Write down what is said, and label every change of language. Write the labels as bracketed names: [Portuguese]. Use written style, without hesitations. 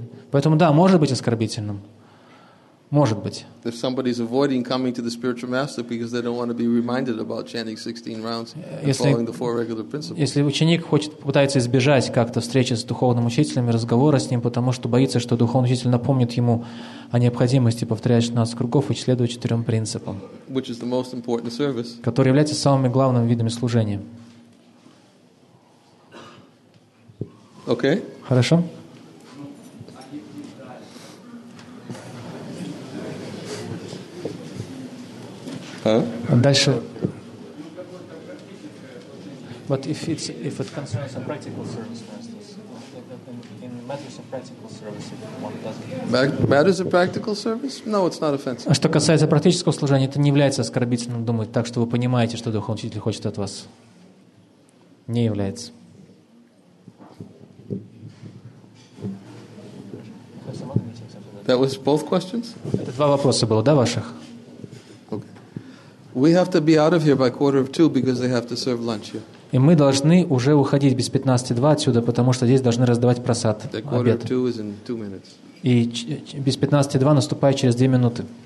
[Russian] Поэтому да, может быть оскорбительным. Может быть. [English] If somebody's avoiding coming to the spiritual master because they don't want to be reminded about chanting 16 rounds and following the four regular principles. [Russian] Если ученик хочет пытается избежать как-то встречи с духовным учителем и разговора с ним, потому что боится, что духовный учитель напомнит ему о необходимости повторять 16 кругов и следовать 4 принципам, [English] which is the most important service. [Russian] Который является самыми главными видами служения. [English] Okay. [Russian] Хорошо. Дальше. [English] But if it concerns a practical service, for instance, in matters of practical service, matters of practical service, no, it's not offensive. [Russian] А что касается практического служения, это не является оскорбительным думать, так что вы понимаете, что духовный учитель хочет от вас. Не является. [English] That was both questions? [Russian] Это два вопроса было, да, ваших? [English] We have to be out of here by 1:45 because they have to serve lunch here. [Russian] И мы должны уже уходить без 15:02 отсюда, потому что здесь должны раздавать просад. [English] The quarter of two is in 2 minutes. [Russian] И без 15:02 наступает через 2 минуты.